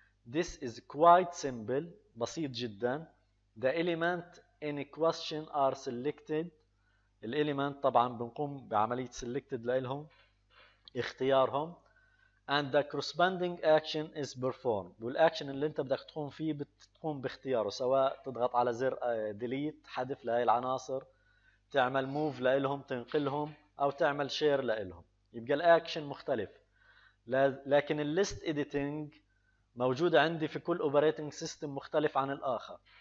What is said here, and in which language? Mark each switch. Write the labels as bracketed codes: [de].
[en] This is quite simple، [ar] بسيط جدا. [en] The element in question are selected. [ar] الإليمنت طبعا بنقوم بعملية selected لإلهم اختيارهم. [en] And the corresponding action is performed. [ar] والأكشن اللي أنت بدك تقوم فيه بتقوم باختياره، سواء تضغط على زر delete حذف لهي العناصر، تعمل move لإلهم تنقلهم، أو تعمل share لإلهم. يبقى الأكشن مختلف. لكن الليست editing موجودة عندي في كل operating system مختلف عن الآخر.